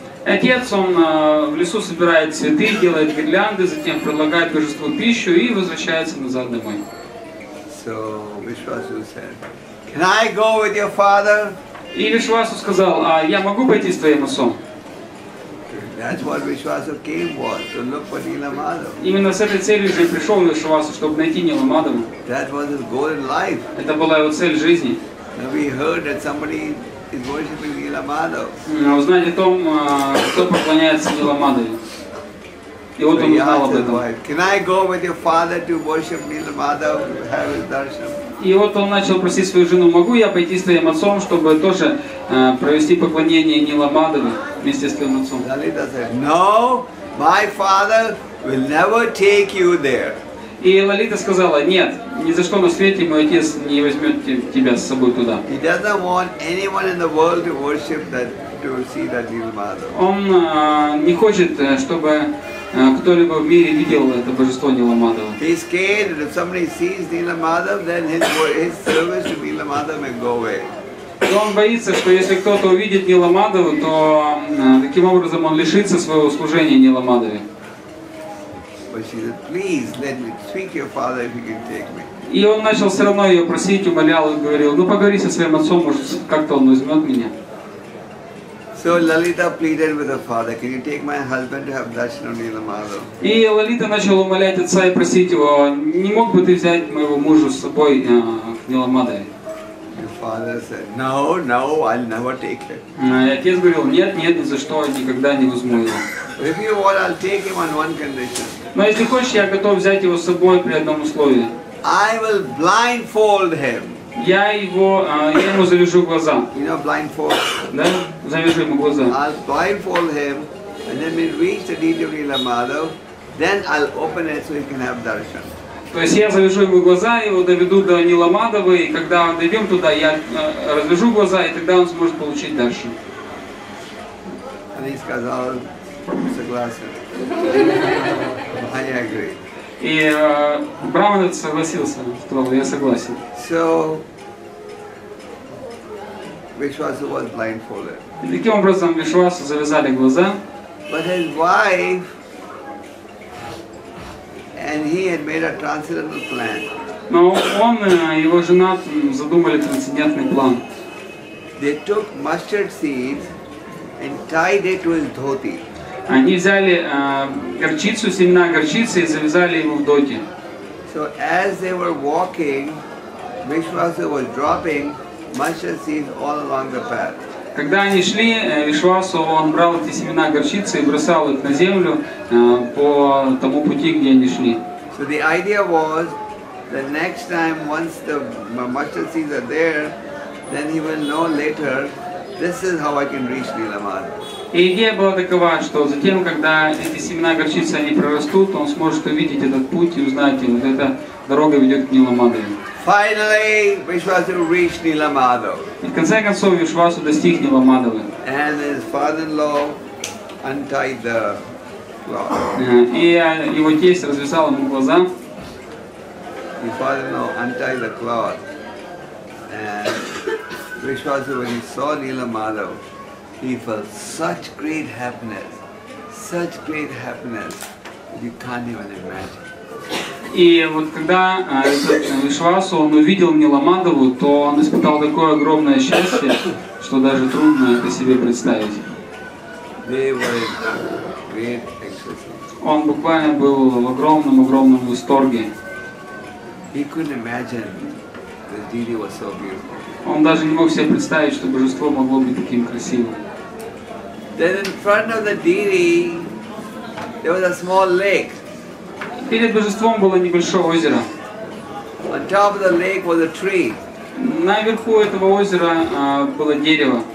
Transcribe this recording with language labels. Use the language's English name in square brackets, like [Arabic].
[Russian] Отец, он в лесу собирает цветы, делает гирлянды, затем предлагает божеству пищу и возвращается назад домой. [English] So Вишвасу said, "Can I go with your father?" [Russian] И Вишвасу сказал, "А я могу пойти с твоим отцом?" [English] That's what Vishwasu came for, to look for Nila Madhava. [Russian] Именно с этой целью же пришел Вишвасу, чтобы найти Нила Мадхаву. [English] That was his goal in life. [Russian] Это была его цель жизни. [English] Now we heard that somebody is worshiping Nila Madhava. [Russian] Узнали о том, кто поклоняется Нила Мадхаве. И вот он узнал об этом. [English] Can I go with your father to worship Nila Madhava, have his darshan? [Russian] И вот он начал просить свою жену, могу я пойти с твоим отцом, чтобы тоже провести поклонение Нила Мадхаве вместе с твоим отцом? [English] Лалита said, no, my father will never take you there. [Russian] И Лалита сказала, нет, ни за что на свете мой отец не возьмет тебя с собой туда. [English] He doesn't want anyone in the world to worship that, to see that Nila Madhava. [Russian] Он не хочет, чтобы кто-либо в мире видел это божество Нила Мадхава. [English] He is scared that if somebody sees Nila Madhava, then his service to Nila Madhava may go away. [Russian] И он боится, что если кто-то увидит Нила Мадхаву, то таким образом он лишится своего служения Нила Мадхаве. [English] But she said, please let me speak your father if you can take me. [Russian] И он начал все равно ее просить, умолял и говорил, ну поговори со своим отцом, может как-то он возьмет меня. [English] So Lalita pleaded with her father, "Can you take my husband to have darshan of Nila Madhava?" [Russian] И Лалита начала умолять отца и просить его, не мог бы ты взять моего мужа с собой к Нила Мадхаве? [English] Your father said, "No, I'll never take him." [Russian] Отец говорил, нет, ни за что, никогда не возьму его. [English] If you want, I'll take him on one condition. [Russian] Но если хочешь, я готов взять его с собой при одном условии. [English] I will blindfold him. [Russian] Я его, я ему завяжу глаза. [English] You know, blindfold. [Russian] Да? Завяжу ему глаза. [English] I'll blindfold him, and then we'll reach the deity of Nila Madhava. Then I'll open it so he can have darshan. [Russian] То есть я завяжу ему глаза, его доведу до Нила Мадхавы, и когда дойдем туда, я развяжу глаза, и тогда он сможет получить дальше. [English] And he [Russian] сказал, согласен. [English] I agree. [Russian] И Браман согласился, сказал, я согласен. [English] So, Vishwasu was blindfolded. [Russian] И таким образом Вишвасу завязали глаза. [English] But his wife and he had made a transcendental plan. [Russian] Но он и его жена задумали трансцендентный план. [English] They took mustard seeds and tied it to his dhoti. [Russian] Они взяли горчицу, семена горчицы и завязали его в доти. [English] So as they were walking, Vishwasu was dropping mustard seeds all along the path. [Russian] Когда они шли, Вишвасу он брал эти семена горчицы и бросал их на землю по тому пути, где они шли. [English] So the idea was the next time once the mustard seeds are there, then he will know later. This is how I can reach Nila Madhava. [Russian] И идея была такова, что затем, когда эти семена горчицы они прорастут, он сможет увидеть этот путь и узнать, вот эта дорога ведет к Нила Мадхаве. [English] Finally, Vishwasu reached Nila Madhava. [Russian] И в конце концов Вишвасу достиг Нила Мадхавы. [English] And his father-in-law untied the cloth. [Russian] И его тесть развязал ему глаза. [English] His father-in-law untied the cloth. And Vishwasu, when he saw Nila Madhava, he felt such great happiness, you can't even imagine. [Russian] И вот когда Вишвасу он увидел Нила Мадхаву, то он испытал такое огромное счастье, что даже трудно это себе представить. [English] They were in great ecstasy. [Russian] Он буквально был в огромном восторге. [English] He couldn't imagine that deity was so beautiful. [Russian] Он даже не мог себе представить, что божество могло быть таким красивым. [English] Then in front of the deity, there was a small lake. [Russian] Перед божеством было небольшое озеро. [English] On top of the lake was a tree. [Russian] Наверху этого озера было дерево.